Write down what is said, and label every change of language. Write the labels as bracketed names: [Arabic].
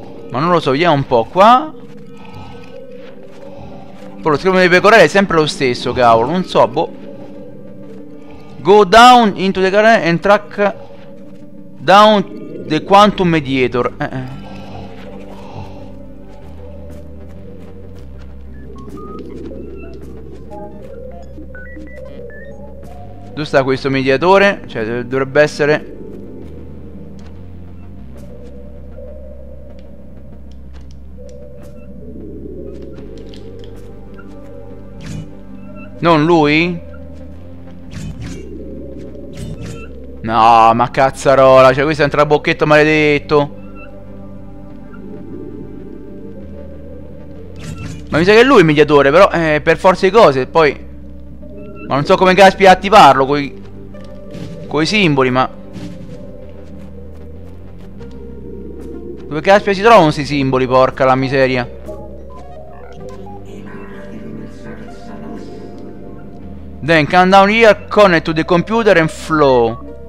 [Italian] Ma non lo so, vediamo un po' qua. Poi lo schermo dei pecorelli è sempre lo stesso, cavolo. Non so, boh. [English] Go down into the current and track down the quantum mediator. [Italian] Dove sta questo mediatore? Cioè dovrebbe essere. Non lui? No, ma cazzarola, cioè questo è un trabocchetto maledetto. Ma mi sa che è lui il mediatore, però per forza di cose, poi. Ma non so come caspi attivarlo coi simboli, ma. Dove caspi si trovano questi simboli, porca la miseria. [English] Then come down here, connect to the computer and flow.